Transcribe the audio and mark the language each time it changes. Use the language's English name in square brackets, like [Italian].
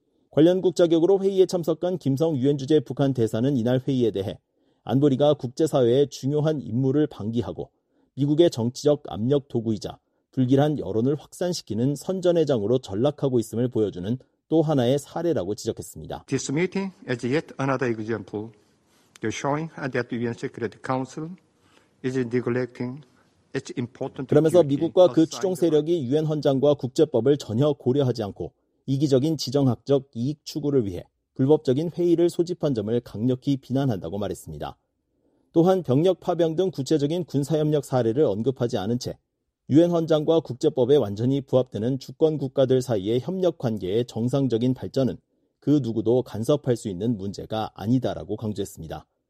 [Korean] 관련국 자격으로 회의에 참석한 김성 유엔 주재 북한 대사는 이날 회의에 대해 안보리가 국제사회의 중요한 임무를 방기하고 미국의 정치적 압력 도구이자 불길한 여론을 확산시키는 선전회장으로 전락하고 있음을 보여주는 또 하나의 사례라고 지적했습니다. [English] This meeting is yet another example showing that the UN Security Council is neglecting its important. [Korean] 그러면서 미국과 그 추종 세력이 유엔 헌장과 국제법을 전혀 고려하지 않고 이기적인 지정학적 이익 추구를 위해 불법적인 회의를 소집한 점을 강력히 비난한다고 말했습니다. 또한 병력 파병 등 구체적인 군사협력 사례를 언급하지 않은 채 유엔 헌장과 국제법에 완전히 부합되는 주권 국가들 사이의 협력 관계의 정상적인 발전은 그 누구도 간섭할 수 있는 문제가 아니다라고 강조했습니다.